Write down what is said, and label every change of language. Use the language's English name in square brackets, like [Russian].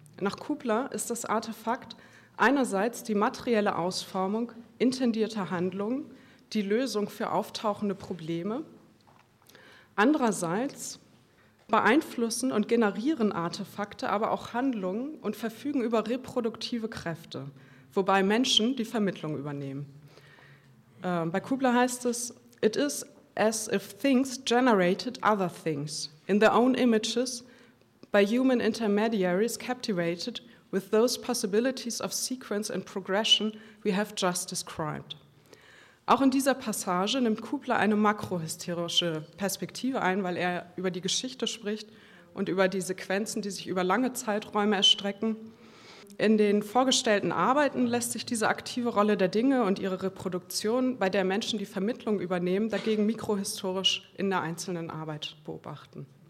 [German] Nach Kubler ist das Artefakt einerseits die materielle Ausformung intendierter Handlungen, die Lösung für auftauchende Probleme. Andererseits beeinflussen und generieren Artefakte aber auch Handlungen und verfügen über reproduktive Kräfte, wobei Menschen die Vermittlung übernehmen. Bei Kubler heißt es: [English] It is as if things generated other things in their own images, by human intermediaries captivated with those possibilities of sequence and progression we have just described. [German] Auch in dieser Passage nimmt Kubler eine makrohistorische Perspektive ein, weil er über die Geschichte spricht und über die Sequenzen, die sich über lange Zeiträume erstrecken. In den vorgestellten Arbeiten lässt sich diese aktive Rolle der Dinge und ihre Reproduktion, bei der Menschen die Vermittlung übernehmen, dagegen mikrohistorisch in der einzelnen Arbeit beobachten.